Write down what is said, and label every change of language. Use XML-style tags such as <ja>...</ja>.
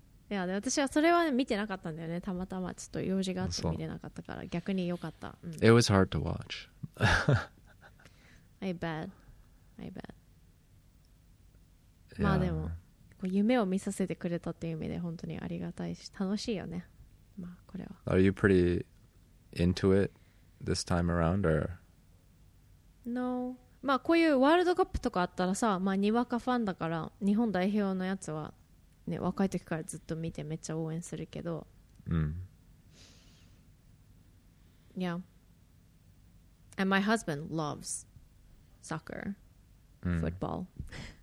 <ja>いやで私はそれは見てなかったんだよねたまたまちょっと用事があって見れなかったから逆によかった、</ja> <en>うん、It was hard to watch I bet.、Yeah.</en> <ja>まあでも、こう夢を見させてくれたっていう意味で本当にありがたいし、楽しいよね。まあこれは。</ja> <en>Are you pretty into it this time around or? No.</en> <ja>まあこういうワールドカップとかあったらさ、まあにわかファンだから、日本代表のやつはね、若い時からずっと見てめっちゃ応援するけど。うん。</ja> <en>Yeah. And my husband loves. Soccer, football.、Mm.</en>